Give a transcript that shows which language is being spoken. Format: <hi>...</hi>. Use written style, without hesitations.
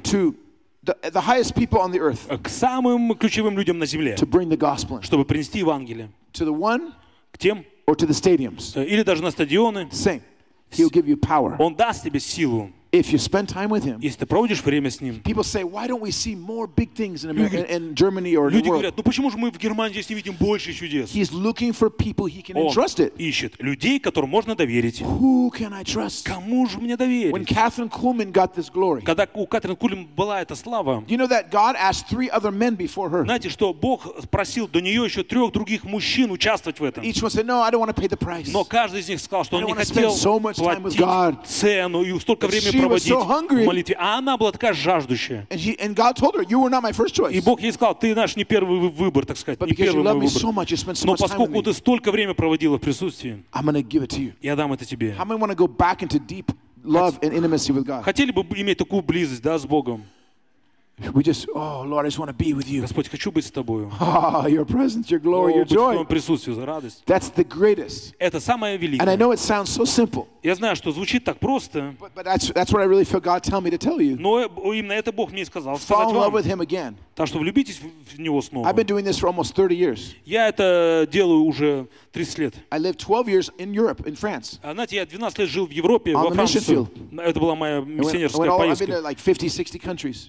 <en>to the highest people on the earth,</en> <ru>к самым ключевым людям на земле,</ru> <en>to bring the gospel,</en> <ru>чтобы принести Евангелие,</ru> <en>to the one,</en> <ru>к тем,</ru> <en>or to the stadiums,</en> <ru>или даже на стадионы.</ru> <en>Same. He'll give you power.</en> <ru>Он даст тебе силу.</ru> <en>If you spend time with him,</en> <ru>если ты проводишь время с ним,</ru> <en>people say, why don't we see more big things in America, in Germany or in the world?</en> <ru>Люди говорят, ну почему же мы в Германии не видим больше чудес?</ru> <en>He's looking for people he can entrust it.</en> <ru>Он ищет людей, которым можно доверить.</ru> <en>Who can I trust?</en> <ru>Кому же мне доверить?</ru> <en>When Catherine Kuhlman got this glory,</en> <ru>когда у Катрин Кульман была эта слава,</ru> <en>you know that God asked three other men before her.</en> <ru>Знаете, что Бог спросил до нее еще трех других мужчин участвовать в этом.</ru> <en>Each one said, no, I don't want to pay the price.</en> <ru>Но каждый из них сказал, что он не хотел платить</ru> <en>so</en> <ru>цену и столько времени проводить в молитве. А она была такая жаждущая.</ru> <en>And God told her, you were not my first choice.</en> <ru>И Бог ей сказал, ты наш не первый выбор, так сказать, не первый мой выбор.</ru> <en>So much, so</en> <ru>но поскольку ты</ru> <en>me,</en> <ru>столько времени проводила в присутствии,</ru> <en>I'm gonna give it to you.</en> <ru>Я дам это тебе.</ru> <en>How many want to go back into deep love and intimacy with God?</en> <ru>Хотели бы иметь такую близость, да, с Богом?</ru> <en>We just, oh Lord, I just want to be with you.</en> <ru>Господь, хочу быть с тобою.</ru> <en>Your presence, your glory, your joy.</en> <ru>Твоем присутствии, за радость.</ru> <en>That's the greatest.</en> <ru>Это самое великое.</ru> <en>And I know it sounds so simple.</en> <ru>Я знаю, что звучит так просто.</ru> <en>But that's what I really feel God tell me to tell you.</en> <ru>Но именно это Бог мне сказал.</ru> <en>Fall in love with Him again.</en> <ru>Так что влюбитесь в Него снова.</ru> <en>I've been doing this for almost 30 years.</en> <ru>Я это делаю уже 30 лет.</ru> <en>I lived 12 years in Europe, in France.</en> <ru>Знаете, я 12 лет жил в Европе, во Франции. Это была моя миссионерская поездка.</ru> <en>I've been to like 50-60 countries.</en>